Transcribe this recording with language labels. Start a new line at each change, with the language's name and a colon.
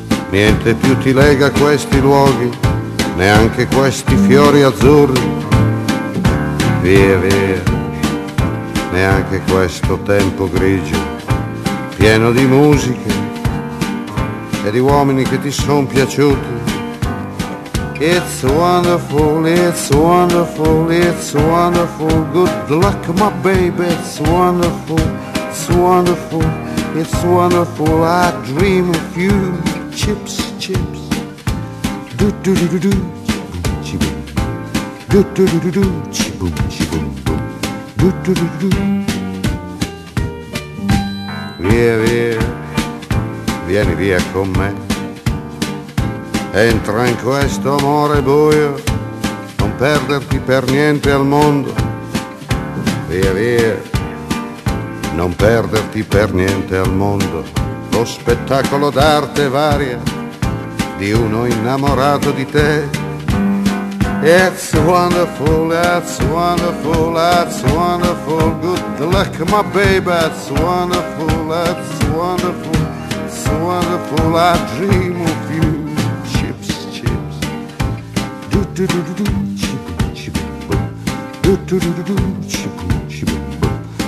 Italian: Niente più ti lega a questi luoghi, neanche questi fiori azzurri. Via, via, neanche questo tempo grigio, pieno di musiche e di uomini che ti son piaciuti.
English: It's wonderful, it's wonderful, it's wonderful. Good luck, my baby, it's wonderful. It's wonderful, it's wonderful. I dream of you. Chips, chips. Do do do do do. Chiboom, chiboom. Do do do do do. Chiboom, chiboom. Do do do do do.
Italian: Via, via, vieni via con me. Entra in questo amore buio. Non perderti per niente al mondo. Via, via. Non perderti per niente al mondo, lo spettacolo d'arte varia di uno innamorato di te.
English: It's wonderful, that's wonderful, that's wonderful. Good luck, my baby, that's wonderful, it's wonderful. I dream of you. Chips, chips. Do do do do do, chip, chip, boom. Do do do do do, chip, chip, boom.